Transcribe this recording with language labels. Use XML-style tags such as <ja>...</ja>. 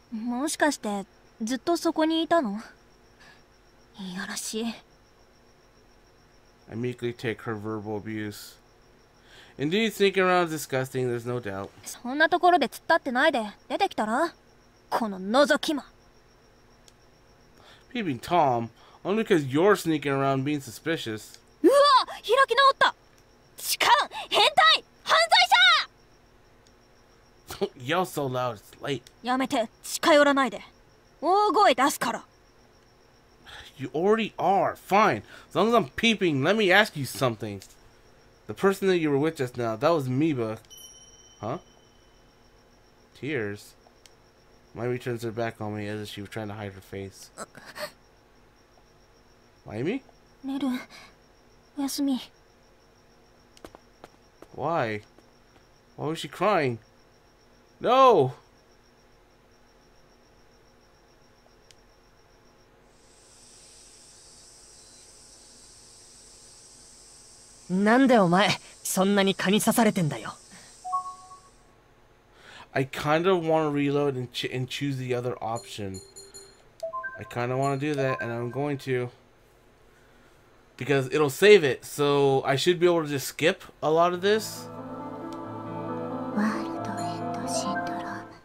<ja>もしかして、ずっとそこにいたの? いやらしい。</ja> <en>I meekly take her verbal abuse. Indeed, sneaking around is disgusting, there's no doubt. そんなところで突っ立ってないで、出てきたら? この覗き魔。 Peeping Tom, only because you're sneaking around being suspicious.</en> <ja>うわ!開き直った!痴漢!変態!犯罪者!</ja> <en>Don't yell so loud, it's late.</en> <ja>やめて、近寄らないで。大声出すから。</ja> <en>You already are. Fine. As long as I'm peeping, let me ask you something. The person that you were with just now, that was Miba. Huh? Tears? Maimi turns her back on me as if she was trying to hide her face. Maimi?</en> <ja>Neru. Yasumi.</ja> <en>Why? Why was she crying? No!</en> <ja>なんでお前、そんなに蚊に刺されてんだよ。</ja> <en>I kind of want to reload and choose the other option. I kind of want to do that, and I'm going to. Because it'll save it, so I should be able to just skip a lot of this. World End Syndrome.</en>